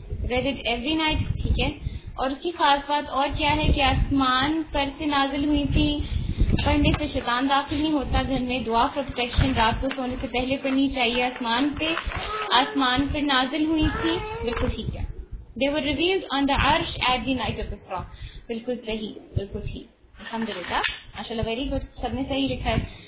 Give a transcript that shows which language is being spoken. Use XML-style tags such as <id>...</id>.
<en>Read it every night.</en> <ur>ٹھیک ہے، اور اس کی خاص بات اور کیا ہے کہ آسمان پر سے نازل ہوئی تھی، پڑھنے سے شیطان داخل نہیں ہوتا گھر میں، دعا</ur> <en>for protection</en> <ur>رات کو سونے سے پہلے پڑھنی چاہیے، آسمان پر نازل ہوئی تھی. بالکل ٹھیک ہے.</ur> <en>They were revealed on the arsh at the night of Isra.</en> <ur>بالکل صحیح، بالکل ٹھیک، الحمدللہ، ماشاء اللہ، ویری گڈ، سب نے صحیح لکھا ہے.</ur>